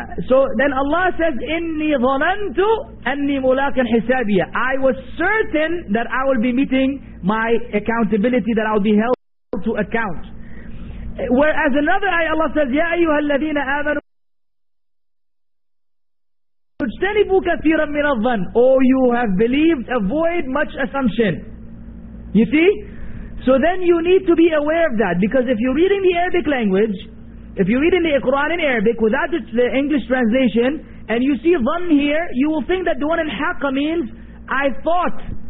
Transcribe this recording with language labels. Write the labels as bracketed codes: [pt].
[en] So then Allah says, [ar] إِنِّي ظَنَنْتُ أَنِّي مُلَاقٍ حِسَابِيَ. [en] I was certain that I will be meeting my accountability, that I'll be held to account. Whereas another ayah, Allah says, [ar] يَا أَيُّهَا الَّذِينَ آمَنُوا اجْتَنِبُوا كَثِيرًا مِنَ الظَّنِ. [en] Oh, you have believed, avoid much assumption. You see? So then you need to be aware of that, because if you're reading the Arabic language, if you read in the Quran in Arabic without the English translation, and you see dhan here, you will think that the one in haqqa means, I thought,